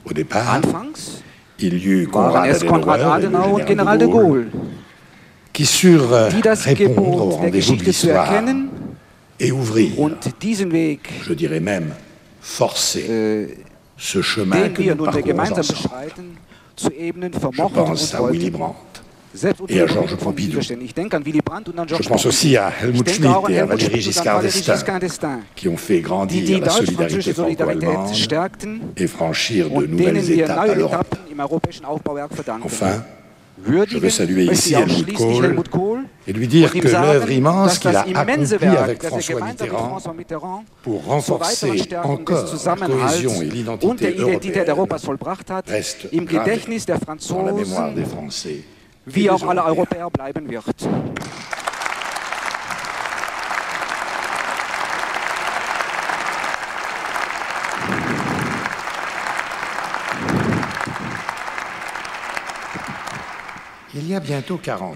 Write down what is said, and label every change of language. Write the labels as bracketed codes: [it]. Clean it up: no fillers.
[de] Anfangs waren es Konrad Adenauer und General de Gaulle, die das Gebot der Geschichte zu erkennen und diesen Weg, [fr] je dirais même forcé, ce chemin [de] den wir nun gemeinsam beschreiten, zu ebnen vermochten und wollten. [fr] Willy Brandt, et à Georges Pompidou. Je pense aussi à Helmut Schmidt et à Valéry Giscard d'Estaing qui ont fait grandir la solidarité franco-allemande et franchir de nouvelles étapes à l'Europe. Enfin, je veux saluer ici Helmut Kohl et lui dire que l'œuvre immense qu'il a accomplie avec François Mitterrand pour renforcer encore la cohésion et l'identité européenne reste gravée dans la mémoire des Français. [de] Wie auch alle Europäer bleiben wird. [fr] Il y a bientôt 40